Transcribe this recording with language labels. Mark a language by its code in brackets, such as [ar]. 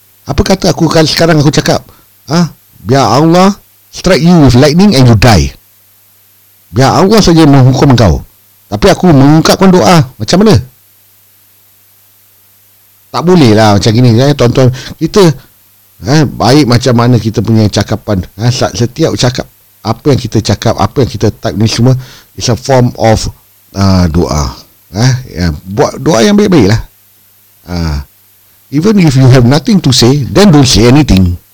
[ms] Apa kata aku kan sekarang aku cakap? Huh? Biar Allah [en] strike you with lightning and you die. [ms] Biar Allah saja menghukum kau. Tapi aku mengungkapkan doa. Macam mana? Tak boleh lah macam gini. Tuan-tuan, kita baik macam mana kita punya cakapan. Setiap cakap, apa yang kita cakap, apa yang kita type ni semua, [en] it's a form of doa. [ms] Buat doa yang baik-baik lah. [en] Even if you have nothing to say, then don't say anything.